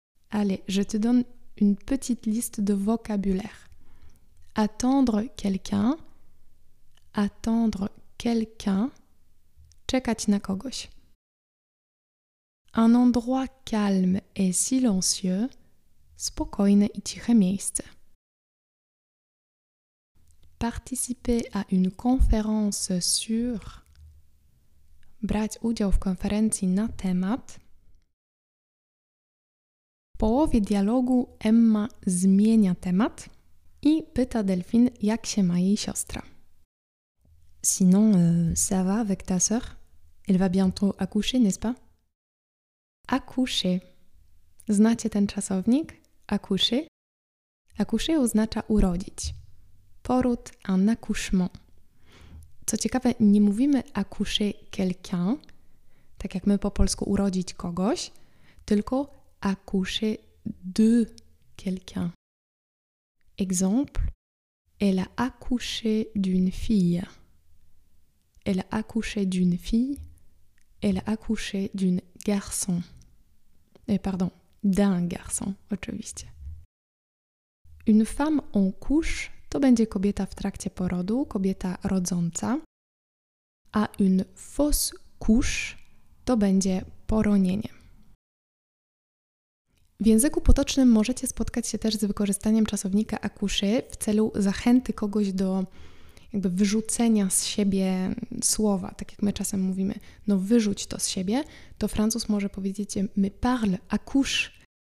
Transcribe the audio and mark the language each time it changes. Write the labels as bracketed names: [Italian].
[French] Allez, je te donne une petite liste de vocabulaire. Attendre quelqu'un. Attendre quelqu'un. [Polish] Czekać na kogoś. [French] Un endroit calme et silencieux. [Polish] Spokojne i ciche miejsce. [French] Participer à une conférence sur... [Polish] Brać udział w konferencji na temat. W połowie dialogu Emma zmienia temat i pyta Delphine, jak się ma jej siostra. [French] Sinon, ça va avec ta sœur? Elle va bientôt accoucher, n'est-ce pas? [Polish] Accoucher. Znacie ten czasownik? Accoucher? Accoucher oznacza urodzić. Poród, un accouchement. Co ciekawe, nie mówimy accoucher quelqu'un, tak jak my po polsku urodzić kogoś, tylko [French] accoucher de quelqu'un. Exemple, elle a accouché d'une fille. Elle a accouché d'une fille. Elle a accouché d'un garçon. D'un garçon, [Polish] oczywiście. [French] Une femme en couche, [Polish] to będzie kobieta w trakcie porodu, kobieta rodząca. A [French] une fausse couche, [Polish] to będzie poronienie. W języku potocznym możecie spotkać się też z wykorzystaniem czasownika accoucher w celu zachęty kogoś do jakby wyrzucenia z siebie słowa, tak jak my czasem mówimy, no wyrzuć to z siebie, to Francuz może powiedzieć [French] me parle, accouche.